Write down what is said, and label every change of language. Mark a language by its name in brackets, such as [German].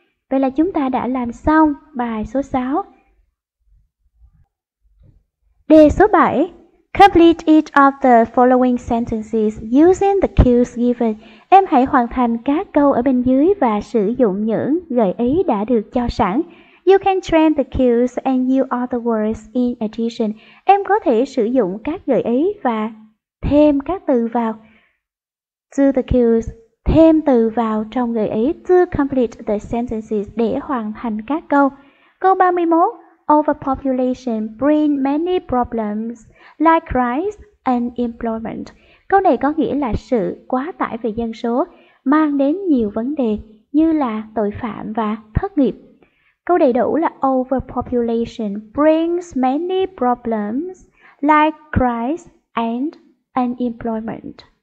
[Vietnamese] Vậy là chúng ta đã làm xong bài số 6. Đề số 7. [English] Complete each of the following sentences using the cues given. [Vietnamese] Em hãy hoàn thành các câu ở bên dưới và sử dụng những gợi ý đã được cho sẵn. [English] You can train the cues and use other words in addition. [Vietnamese] Em có thể sử dụng các gợi ý và thêm các từ vào. [English] To the cues, [Vietnamese] thêm từ vào trong gợi ý. [English] To complete the sentences, [Vietnamese] để hoàn thành các câu. Câu 31. [English] Overpopulation brings many problems like crime and unemployment. [Vietnamese] Câu này có nghĩa là sự quá tải về dân số mang đến nhiều vấn đề như là tội phạm và thất nghiệp. Câu đầy đủ là [English] overpopulation brings many problems like crime and unemployment.